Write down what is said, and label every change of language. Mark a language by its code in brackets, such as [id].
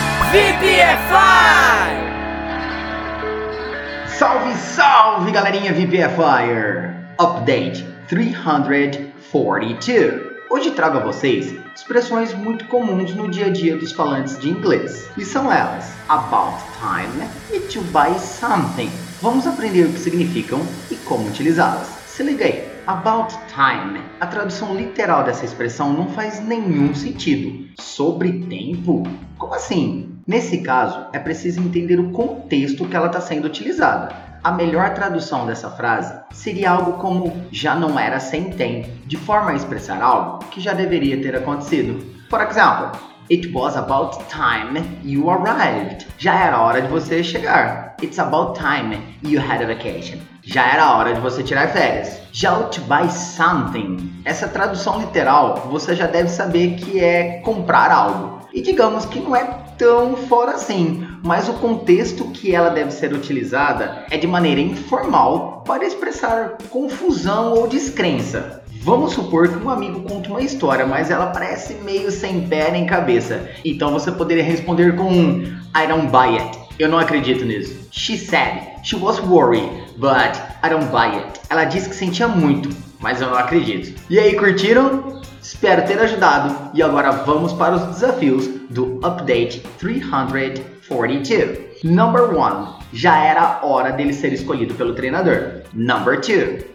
[pt] VPFI! Salve, salve, galerinha VPFIer! Update 342. Hoje trago a vocês expressões muito comuns no dia a dia dos falantes de inglês. E são elas: about time e to buy something. Vamos aprender o que significam e como utilizá-las. Se liga aí. About time. A tradução literal dessa expressão não faz nenhum sentido. Sobre tempo? Como assim? Nesse caso, é preciso entender o contexto que ela está sendo utilizada. A melhor tradução dessa frase seria algo como já não era sem tempo, de forma a expressar algo que já deveria ter acontecido. [en] For example, it was about time you arrived. [pt] Já era hora de você chegar. [en] It's about time you had a vacation. [pt] Já era hora de você tirar férias. Já o to buy something. Essa tradução literal, você já deve saber que é comprar algo. E digamos que não é tão fora assim, mas o contexto que ela deve ser utilizada é de maneira informal para expressar confusão ou descrença. Vamos supor que um amigo conta uma história, mas ela parece meio sem pé nem cabeça. Então você poderia responder com um [en] I don't buy it. [pt] Eu não acredito nisso. [en] She said she was worried, but I don't buy it. [pt] Ela disse que sentia muito, mas eu não acredito. E aí, curtiram? Espero ter ajudado e agora vamos para os desafios do Update 342. [en] Number 1. [pt] Já era hora dele ser escolhido pelo treinador. [en] Number 2.